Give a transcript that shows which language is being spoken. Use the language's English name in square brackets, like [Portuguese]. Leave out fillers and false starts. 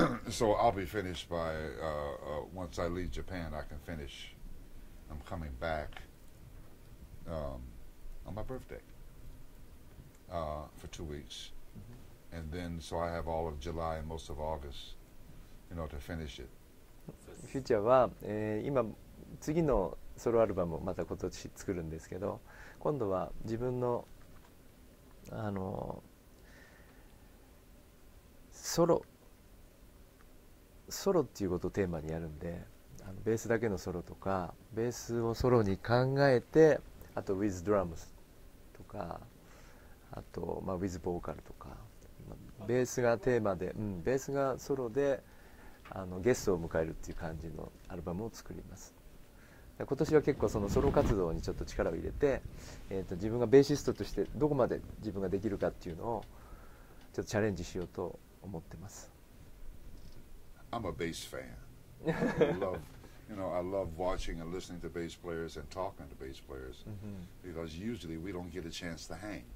[English] So I'll be finished by once I leave Japan, I can finish. I'm coming back on my birthday for 2 weeks. Mm-hmm. And then, so I have all of July and most of August, you know, to finish it. [Japanese] Future は、今、次のソロアルバムをまた今年作るんですけど、今度は自分の、ソロっていうことをテーマにやるんで、ベースだけのソロとか、ベースをソロに考えて、あと [English] with drums [Japanese] とか、あと、まあ、with ボーカルとか、ベースがテーマで、ベースがソロでゲストを迎えるっていう感じのアルバムを作ります。で、今年は結構そのソロ活動にちょっと力を入れて、自分がベーシストとしてどこまで自分ができるかっていうのをちょっとチャレンジしようと思ってます。 [English] I'm a bass fan. I love watching and listening to bass players and talking to bass players mm-hmm. because usually we don't get a chance to hang.